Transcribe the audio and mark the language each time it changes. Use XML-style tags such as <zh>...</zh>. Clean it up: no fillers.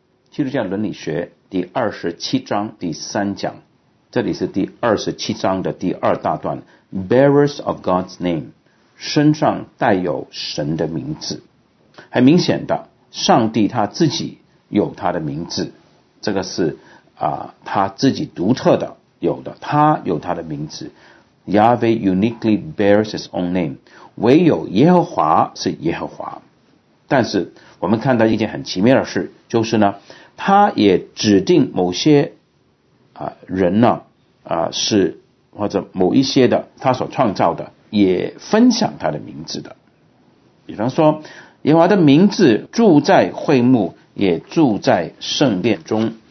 <zh>基督教伦理学第二十七章第三讲，这里是第二十七章的第二大段 ，</zh> <en>Bearers of God's Name，</en> <zh>身上带有神的名字。很明显的，上帝他自己有他的名字，这个是他自己独特的有的，他有他的名字。</zh> <en>Yahweh uniquely bears his own name，</en> <zh>唯有耶和华是耶和华。但是我们看到一件很奇妙的事，就是呢，他也指定某些人呢是或者某一些的他所创造的也分享他的名字的。比方说，耶和华的名字住在会幕，也住在圣殿中。</zh>